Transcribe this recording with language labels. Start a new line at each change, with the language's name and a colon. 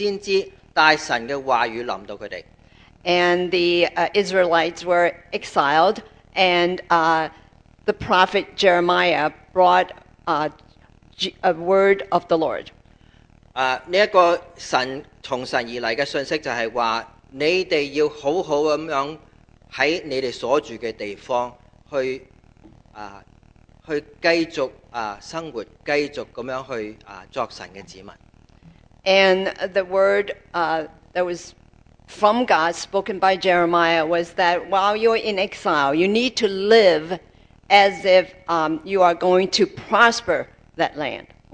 Chinese: 當時的以色列民他們被放逐去了巴比倫，而耶利米先知帶神的話語臨到他們。
English: And the Israelites were exiled, and the prophet Jeremiah brought a word of the Lord.
Chinese: 这个神从神而来的讯息就是说，你们要好好地在你们所住的地方去继续生活，继续地去作神的子民。
English: And the word that was from God, spoken by Jeremiah, was that while you're in exile, you need to live as if you are going to prosper that land.